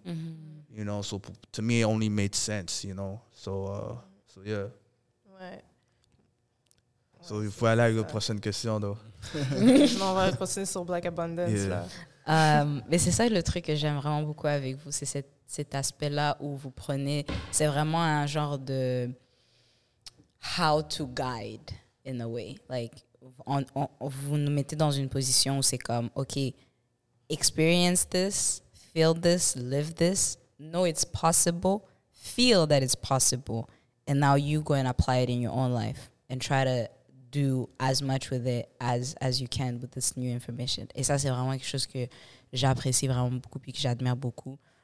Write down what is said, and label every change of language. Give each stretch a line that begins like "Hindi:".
English: Mm-hmm. You know, so to me, it only made sense, you know. So yeah.
French: Ouais. So, il faut aller avec la prochaine question, donc. Non, on va continuer sur Black Abundance. Yeah. Là. Mais c'est ça le truc que j'aime vraiment beaucoup avec vous, c'est cet aspect-là où vous prenez... C'est vraiment un genre de...
English: How to guide, in a way. Like,
French: vous nous mettez dans une position où c'est comme,
English: OK, experience this, feel this, live this, know it's possible, feel that it's possible, and now you go and apply it in your own life and try to do as much with it as you can with this new information.
French: Et ça, c'est vraiment quelque chose que j'apprécie vraiment beaucoup et que j'admire beaucoup.